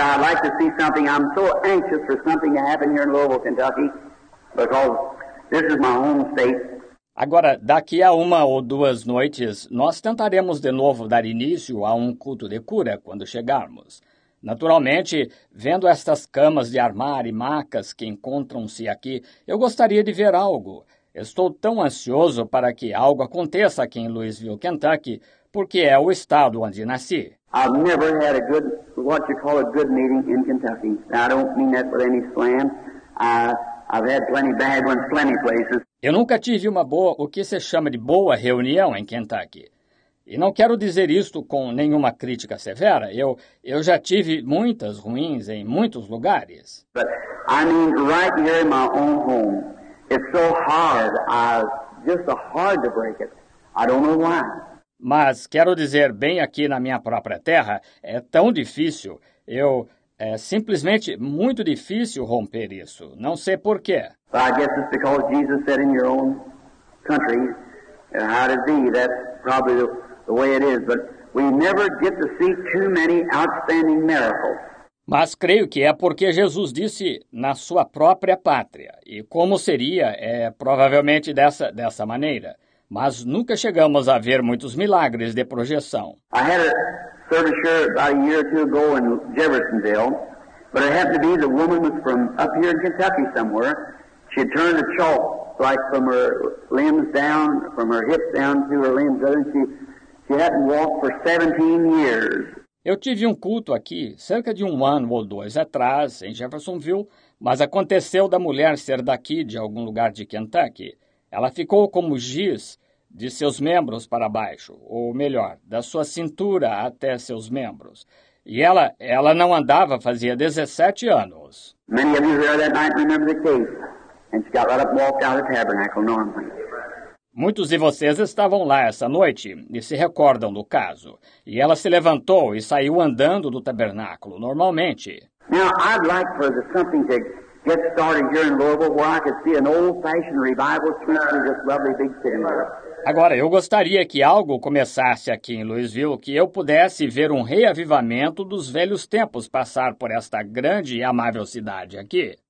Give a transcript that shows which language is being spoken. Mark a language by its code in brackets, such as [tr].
[en] I'd like to see something. I'm so anxious for something to happen here in Louisville, Kentucky, because this is my home state. [pt] Agora, daqui a uma ou duas noites, nós tentaremos de novo dar início a um culto de cura quando chegarmos. Naturalmente, vendo estas camas de armar e macas que encontram-se aqui, eu gostaria de ver algo. Estou tão ansioso para que algo aconteça aqui em Louisville, Kentucky, porque é o estado onde nasci. [en] I've never had a good, what you call a good meeting in Kentucky. I don't mean that with any slam. I've had plenty bad ones, plenty places. [pt] Eu nunca tive uma boa, o que se chama de boa reunião em Kentucky. E não quero dizer isto com nenhuma crítica severa. Eu já tive muitas ruins em muitos lugares. [en] But I mean, right here in my own home, it's so hard. Just so hard to break it. I don't know why. [pt] Mas quero dizer, bem aqui na minha própria terra, é tão difícil. É simplesmente muito difícil romper isso. Não sei por quê. [en] Well, I guess it's because Jesus said in your own country, and how to be, that's probably the way it is. But we never get to see too many outstanding miracles. [pt] Mas creio que é porque Jesus disse na sua própria pátria. E como seria, é provavelmente dessa maneira. Mas nunca chegamos a ver muitos milagres de projeção. [en] I had a service here about a year or two ago in Jeffersonville, but it happened to be the woman was from up here in Kentucky somewhere. She had turned the chalk like from her limbs down, from her hips down to her limbs, and she hadn't walked for 17 years. [pt] Eu tive um culto aqui cerca de um ano ou dois atrás em Jeffersonville, mas aconteceu da mulher ser daqui de algum lugar de Kentucky. Ela ficou como giz de seus membros para baixo, ou melhor, da sua cintura até seus membros. E ela não andava fazia 17 anos. [en] Many of you here that night remember the case. And she got right up and walked out of the tabernacle normally. [pt] Muitos de vocês estavam lá essa noite e se recordam do caso. E ela se levantou e saiu andando do tabernáculo normalmente. [en] Now, I'd like for something to get started here in Louisville where I could see an old-fashioned revival through this lovely big city. [pt] Agora, eu gostaria que algo começasse aqui em Louisville, que eu pudesse ver um reavivamento dos velhos tempos passar por esta grande e amável cidade aqui.